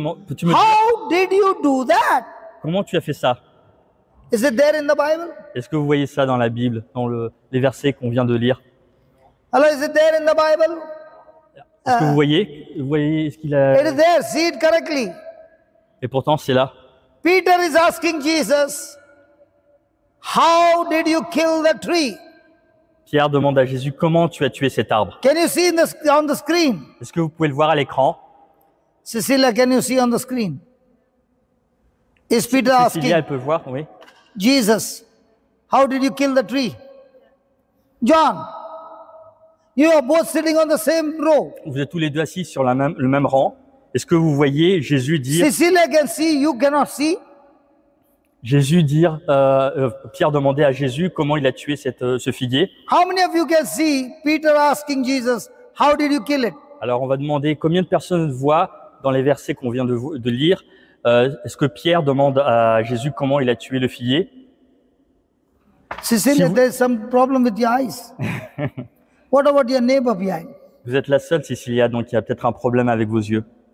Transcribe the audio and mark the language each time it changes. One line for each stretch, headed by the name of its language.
English: How did you do that?
French: Comment tu as fait ça?
English: Is it there in the Bible?
French: Est-ce que vous voyez ça dans la Bible, dans les versets qu'on vient de lire?
English: Hello, is it there in the Bible?
French: Est-ce que vous voyez ce qu'il a?
English: It is there. See it correctly.
French: Et pourtant, c'est là.
English: Peter is asking Jesus, how did you kill the tree?
French: Pierre demande à Jésus, comment tu as tué cet arbre?
English: Can you see on the screen?
French: Est-ce que vous pouvez le voir à l'écran?
English: Cecilia, can you see on the screen? Is Peter Cecilia, asking?
French: Elle peut voir, oui.
English: Jesus, how did you kill the tree? John, you are both sitting on the same row.
French: Vous êtes tous les deux assis sur le même rang. Est-ce que vous voyez Jésus dire?
English: Cecilia can see, you cannot see.
French: Jésus dire, Pierre demandait à Jésus comment il a tué ce figuier.
English: How many of you can see Peter asking Jesus, how did you kill it?
French: Alors on va demander combien de personnes voient dans les versets qu'on vient de lire, est-ce que Pierre demande à Jésus comment il a tué le figuier?
English: Cecilia, there's some problem with your eyes. What about your neighbor behind?
French: Vous êtes la seule, Cecilia, donc il y a peut-être un problème avec vos yeux.